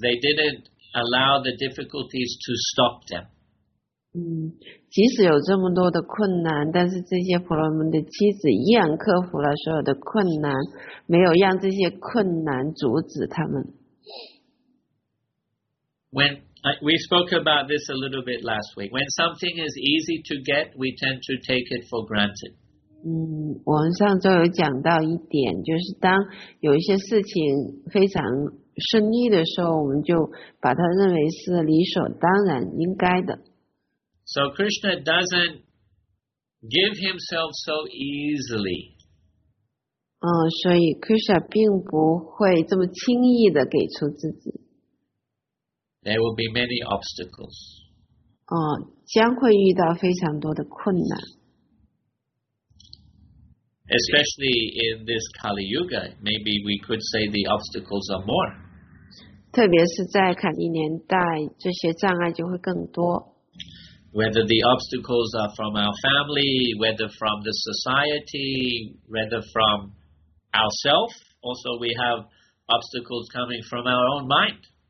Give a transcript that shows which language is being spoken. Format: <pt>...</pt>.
<en>They didn't allow the difficulties to stop them.</en> <zh>即使有这么多的困难，但是这些婆罗门的妻子依然克服了所有的困难，没有让这些困难阻止他们。</zh> <en>When we spoke about this a little bit last week, when something is easy to get, we tend to take it for granted.</en> <zh>我们上周有讲到一点，就是当有一些事情非常顺利的时候，我们就把它认为是理所当然、应该的。</zh> <en>So Krishna doesn't give himself so easily.</en> <zh>所以 Krishna 并不会这么轻易的给出自己。</zh> <en>There will be many obstacles.</en> <zh>将会遇到非常多的困难。</zh> <en>Especially in this Kali Yuga, maybe we could say the obstacles are more.</en> <zh>特别是在卡利年代，这些障碍就会更多。</zh> <en>Whether the obstacles are from our family, whether from the society, whether from ourselves, also we have obstacles coming from our own mind.</en>